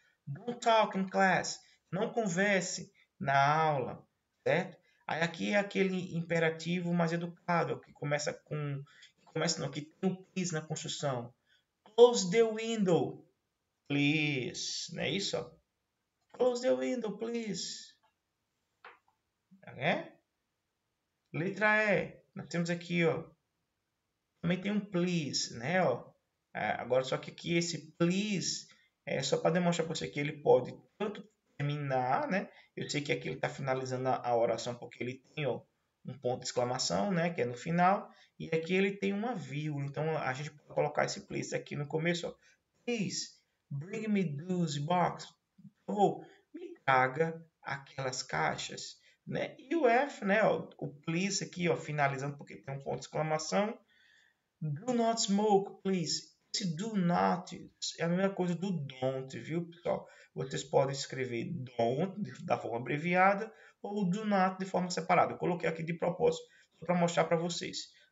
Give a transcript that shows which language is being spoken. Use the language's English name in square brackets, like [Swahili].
[English] Don't talk in class. [Portuguese] Não converse na aula. Certo? Aí aqui é aquele imperativo mais educado, que começa com. Começa, não, que tem o please na construção. [English] Close the window, please. [Portuguese] Não é isso? [English] Close the window, please. [Portuguese] É? Letra E. Nós temos aqui, ó. Também tem um please, né, ó. É, agora, só que aqui esse please é só para demonstrar para você que ele pode tanto terminar, né? Eu sei que aqui ele está finalizando a oração porque ele tem, ó, um ponto de exclamação, né? Que é no final. E aqui ele tem uma vírgula. Então a gente pode colocar esse please aqui no começo, ó. [English] Please bring me those boxes. [Portuguese] Ou me traga aquelas caixas, né? E o F, né? Ó, o please aqui, ó, finalizando porque tem um ponto de exclamação. [English] Do not smoke, please. [Portuguese] Esse do not é a mesma coisa do don't, viu, pessoal? Vocês podem escrever don't da forma abreviada ou do not de forma separada. Eu coloquei aqui de propósito para mostrar para vocês.